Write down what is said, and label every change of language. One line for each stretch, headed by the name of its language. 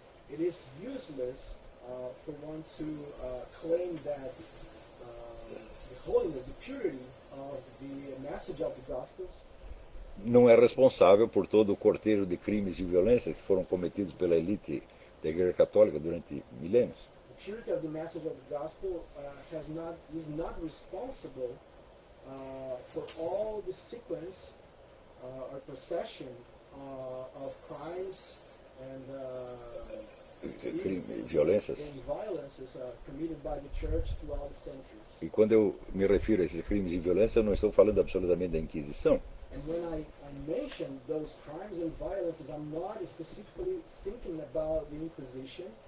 English: It is useless for one to claim that the holiness, the purity of the message of the gospels.
Portuguese: Não é responsável por todo o cortejo de crimes e violência que foram cometidos pela elite da Igreja Católica durante milênios.
English: The purity of the message of the gospel is not responsible for all the sequence or procession of crimes and
Portuguese: violências
English: committed by the church throughout the centuries.
Portuguese: E quando eu me refiro a esses crimes e violência, eu não estou falando absolutamente da Inquisição.
English: And when I mention those crimes and violences, I'm not specifically thinking about the Inquisition.